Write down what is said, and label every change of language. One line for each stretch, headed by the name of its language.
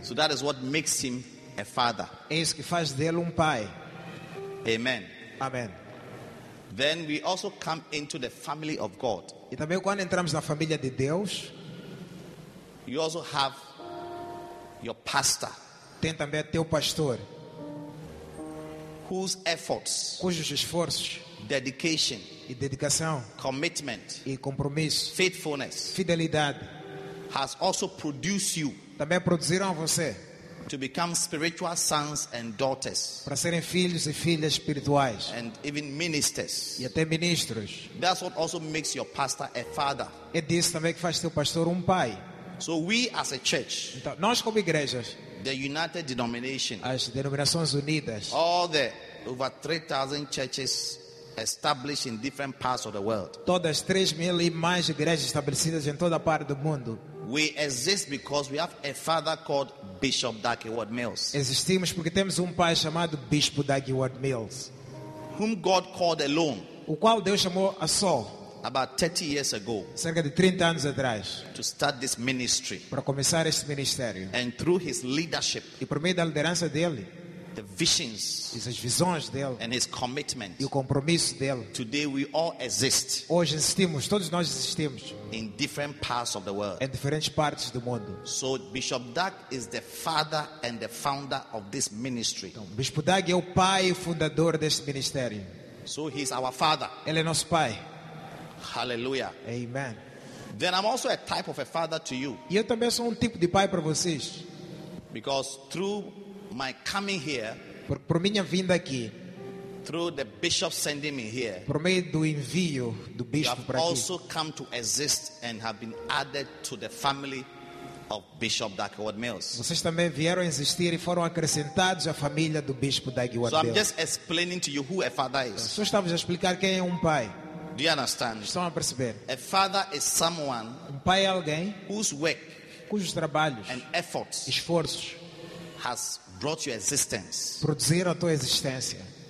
English: So that is what makes him a father.
Portuguese: É isso que faz dele um pai.
English: Amen.
Portuguese: Amen.
English: Then we also come into the family of God.
Portuguese: E também quando entramos na família de Deus,
English: you also have your pastor.
Portuguese: Tem também teu pastor.
English: Whose efforts,
Portuguese: cujos esforços,
English: dedication,
Portuguese: e dedicação,
English: commitment,
Portuguese: e compromisso,
English: faithfulness,
Portuguese: fidelidade,
English: has also produced you,
Portuguese: também produziram você,
English: to become spiritual sons and daughters,
Portuguese: para serem filhos e filhas espirituais,
English: and even ministers,
Portuguese: e até ministros.
English: That's what also makes your pastor a father.
Portuguese: É disso também que faz seu pastor um pai.
English: So we as a church,
Portuguese: então, nós como igrejas,
English: the United Denomination,
Portuguese: as denominações unidas,
English: all the over 3,000 churches established in different parts of the world,
Portuguese: todas 3,000 e mais igrejas estabelecidas em toda parte do mundo,
English: We exist because we have a father called Bishop Dagwood Mills.
Portuguese: Existimos porque temos pai chamado Bispo Dagwood Mills,
English: whom God called alone.
Portuguese: O qual Deus chamou a só.
English: About 30 years ago,
Portuguese: cerca de 30 anos atrás,
English: to start this ministry,
Portuguese: para começar este ministério,
English: and through his leadership,
Portuguese: e por meio da liderança dele,
English: the visions,
Portuguese: essas visões dele,
English: and his commitment,
Portuguese: e o compromisso dele,
English: today we all exist,
Portuguese: hoje existimos, todos nós existimos,
English: in different parts of the world,
Portuguese: em diferentes partes do mundo.
English: So Bishop Doug is the father and the founder of this ministry.
Portuguese: Então, Bispo Doug é o pai e fundador deste ministério.
English: So he is our father.
Portuguese: Ele é nosso pai.
English: Hallelujah.
Portuguese: Amen.
English: Then I'm also a type of a father to you.
Portuguese: E eu também sou tipo de pai para vocês.
English: Because through my coming here,
Portuguese: por minha vinda aqui,
English: through the bishop sending me here,
Portuguese: por meio do envio do bispo para aqui,
English: you have also come to exist and have been added to the family of Bishop Dagwood Mills.
Portuguese: Vocês também vieram existir e foram acrescentados à família do bispo Dagwood
English: Mills. So I'm just explaining to you who a father is.
Portuguese: Só estava a explicar quem é pai.
English: Do you understand?
Portuguese: Estão a perceber?
English: A father is someone,
Portuguese: pai é alguém,
English: whose work,
Portuguese: cujos trabalhos,
English: and efforts,
Portuguese: esforços,
English: has brought your existence.
Portuguese: Produziram a tua existência.